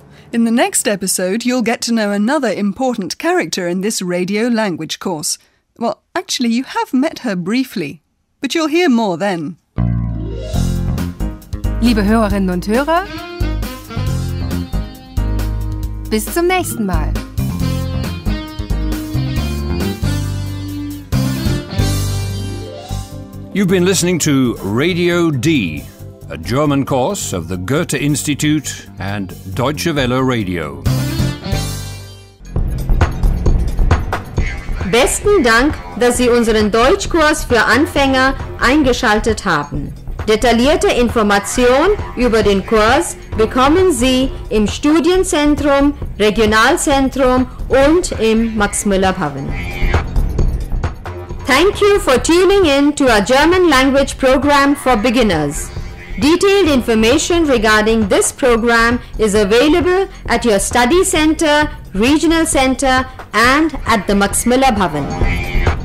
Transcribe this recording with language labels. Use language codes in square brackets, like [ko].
[en] In the next episode, you'll get to know another important character in this radio language course. Well, actually, you have met her briefly, but you'll hear more then. [de] Liebe Hörerinnen und Hörer, bis zum nächsten Mal. [en] You've been listening to Radio D, a German course of the Goethe Institute and Deutsche Welle Radio. [de] Besten Dank, dass Sie unseren Deutschkurs für Anfänger eingeschaltet haben. Detaillierte Informationen über den Kurs bekommen Sie im Studienzentrum, Regionalzentrum und im Max-Müller-Pavillon. [en] Thank you for tuning in to our German language program for beginners. Detailed information regarding this program is available at your study center, regional center, and at the Max-Müller-Pavillon.